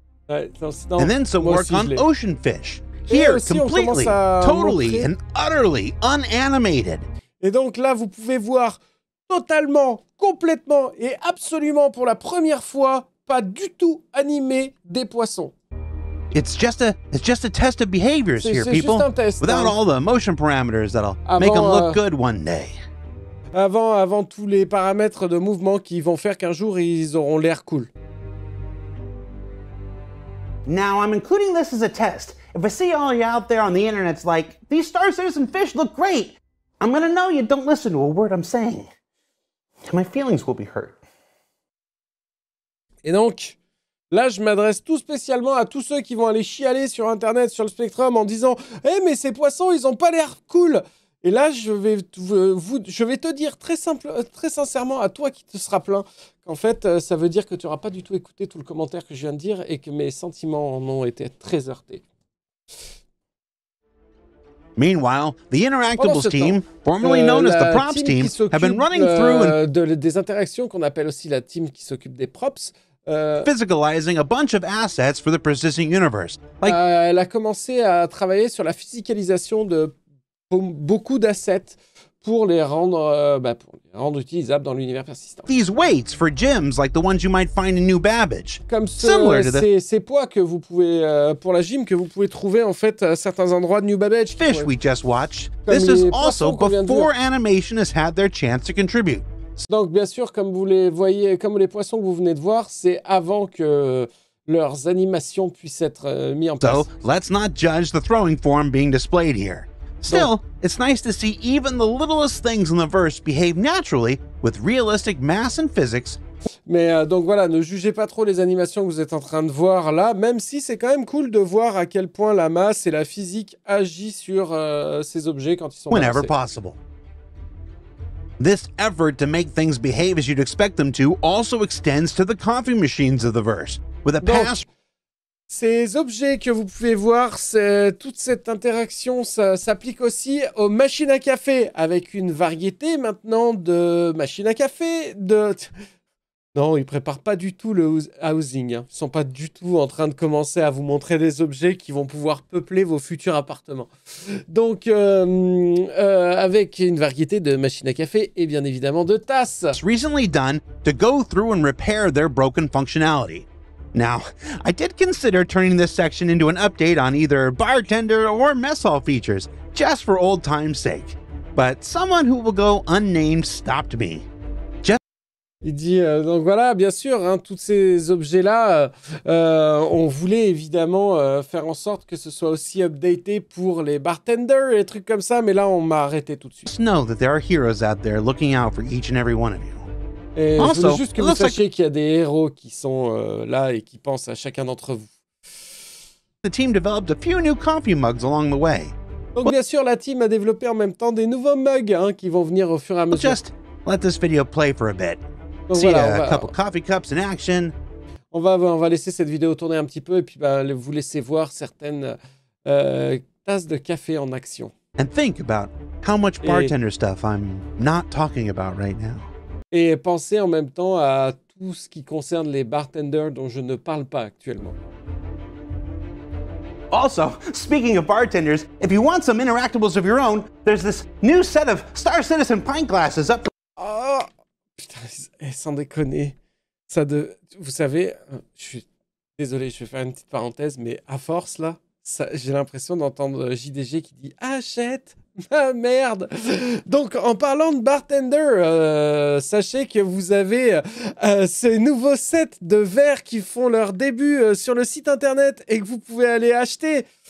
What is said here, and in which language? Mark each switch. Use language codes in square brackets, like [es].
[en] And then some work on ocean fish. Here, completely, totally, and utterly unanimated. [fr] Et donc là, vous pouvez voir totalement, complètement et absolument pour la première fois, pas du tout animé des poissons. [en] It's just a test of behaviors here, people. [fr] C'est juste un test. [en] Without all the motion parameters that'll make them look good one day. [fr] avant tous les paramètres de mouvement qui vont faire qu'un jour ils auront l'air cool. [en] Now I'm including this as a test. If I see all you out there on the internet's like, these star citizen fish look great, I'm gonna know you don't listen to a word I'm saying. And my feelings will be hurt. [fr] Et donc, là, je m'adresse tout spécialement à tous ceux qui vont aller chialer sur Internet, sur le Spectrum, en disant « Hé, mais ces poissons, ils ont pas l'air cool !» Et là, je vais te dire très sincèrement à toi qui te seras plaint qu'en fait, ça veut dire que tu n'auras pas du tout écouté tout le commentaire que je viens de dire et que mes sentiments en ont été très heurtés. [en] Meanwhile, the Interactables team, formerly known as the Props team, have been running through and [fr] des interactions qu'on appelle aussi la team qui s'occupe des props, [en] physicalizing a bunch of assets for the persistent universe. Like, [fr] elle a commencé à travailler sur la physicalisation de beaucoup d'assets pour les rendre utilisables dans l'univers persistant. [en] These weights for gyms like the ones you might find in New Babbage. [fr] Comme ces poids que vous pouvez pour la gym que vous pouvez trouver en fait à certains endroits de New Babbage. [en] Fish we just watched. This is also before animation has had their chance to contribute. [fr] Donc bien sûr comme vous les voyez comme les poissons que vous venez de voir, c'est avant que leurs animations puissent être mises en place. [en] So, let's not judge the throwing form being displayed here. Still, it's nice to see even the littlest things in the verse behave naturally with realistic mass and physics. [fr] Mais donc voilà, ne jugez pas trop les animations que vous êtes en train de voir là, même si c'est quand même cool de voir à quel point la masse et la physique agit sur ces objets quand ils sont [en] whenever [fr] balancés. Possible. [en] This effort to make things behave as you'd expect them to also extends to the coffee machines of the verse with a pass. [fr] Ces objets que vous pouvez voir, toute cette interaction s'applique aussi aux machines à café, avec une variété maintenant de machines à café, Non, ils préparent pas du tout le housing. Hein. Ils sont pas du tout en train de commencer à vous montrer des objets qui vont pouvoir peupler vos futurs appartements. Donc, avec une variété de machines à café et bien évidemment de tasses. [en] It's recently done to go through and repair their broken functionality. Now, I did consider turning this section into an update on either bartender or mess hall features, just for old time's sake. But someone who will go unnamed stopped me. [fr] Il dit, donc voilà, bien sûr, hein, tous ces objets-là, on voulait évidemment faire en sorte que ce soit aussi updaté pour les bartenders et trucs comme ça, mais là, on m'a arrêté tout de suite. [en] Just know that there are heroes out there looking out for each and every one of you. [fr] Et [en] also, [fr] je veux juste que vous sachiez qu'il y a des héros qui sont là et qui pensent à chacun d'entre vous. [en] The team developed a few new coffee mugs along the way. [fr] Donc bien sûr, la team a développé en même temps des nouveaux mugs hein, qui vont venir au fur et à mesure. [en] Just let this video play for a bit. [fr] Donc, [en] see [fr] voilà, [en] a couple coffee cups in action. [fr] On va laisser cette vidéo tourner un petit peu et puis vous laisser voir certaines tasses de café en action. [en] And think about how much bartender stuff I'm not talking about right now. [fr] Et pensez en même temps à tout ce qui concerne les bartenders dont je ne parle pas actuellement. [en] Also, speaking of bartenders, if you want some interactables of your own, there's this new set of Star Citizen pint glasses up. [fr] Oh, putain, sans déconner, vous savez, je suis désolé, je vais faire une petite parenthèse, mais à force là, j'ai l'impression d'entendre JDG qui dit achète. Ah merde! Donc en parlant de bartender, sachez que vous avez ces nouveaux sets de verres qui font leur début sur le site internet et que vous pouvez aller acheter.